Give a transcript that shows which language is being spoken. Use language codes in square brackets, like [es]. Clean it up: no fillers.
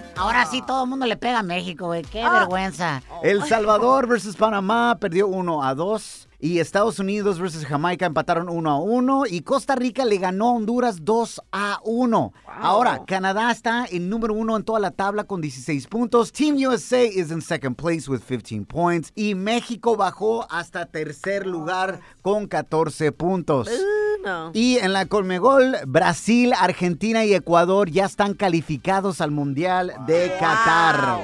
[es] Ahora sí, todo el mundo le pega a México, güey. Qué vergüenza. El Salvador versus Panamá perdió 1-2. Y Estados Unidos versus Jamaica empataron 1-1. Y Costa Rica le ganó a Honduras 2-1. [en] Wow. [es] Ahora, Canadá está en número uno en toda la tabla con 16 puntos. [en] Team USA is in second place with 15 points. [es] Y México bajó hasta tercer lugar con 14 puntos. No. Y en la Conmebol, Brasil, Argentina y Ecuador ya están calificados al Mundial de Qatar.